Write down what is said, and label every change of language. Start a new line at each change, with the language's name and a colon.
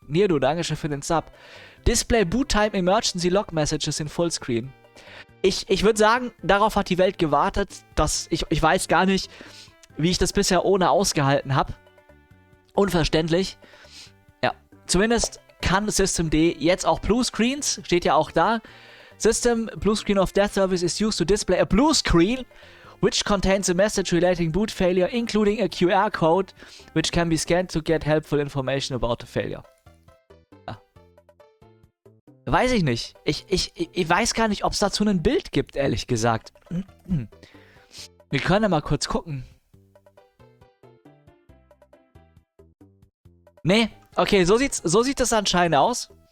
English: Nirdo,
German: danke schön für den Sub.
English: Display Boot Time Emergency Log Messages in Fullscreen.
German: Ich würde sagen, darauf hat die Welt gewartet. Ich weiß gar nicht, wie ich das bisher ohne ausgehalten habe. Unverständlich. Ja, zumindest kann Systemd jetzt auch Bluescreens. Steht ja auch da.
English: System Bluescreen of Death Service is used to display a Bluescreen, which contains a message relating boot failure, including a QR code, which can be scanned to get helpful information about the failure.
German: Ja. Weiß ich nicht. Ich weiß gar nicht, ob es dazu ein Bild gibt, ehrlich gesagt. Wir können ja mal kurz gucken. Nee, okay, so sieht das anscheinend aus.